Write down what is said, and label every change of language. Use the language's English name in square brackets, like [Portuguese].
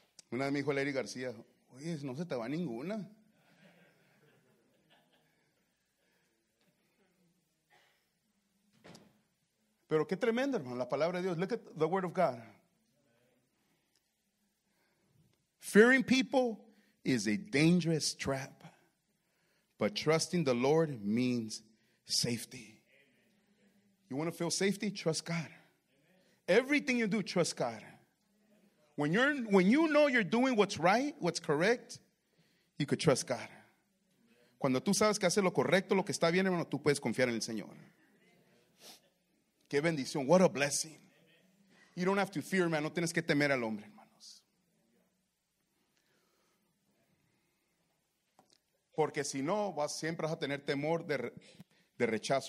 [Spanish] Una vez me dijo Larry García, oye, no se te va ninguna. Pero qué tremendo, hermano, la palabra de Dios. [English] Look at the word of God. Fearing people is a dangerous trap, but trusting the Lord means safety. You want to feel safety? Trust God. Everything you do, trust God. When you know you're doing what's right, what's correct, you could trust God. [Spanish] Cuando tú sabes que haces lo correcto, lo que está bien, hermano, tú puedes confiar en el Señor. Qué bendición. [English] What a blessing. You don't have to fear, man. [Spanish] No tienes que temer al hombre, hermanos. Porque si no, vas, siempre vas a tener temor de rechazo.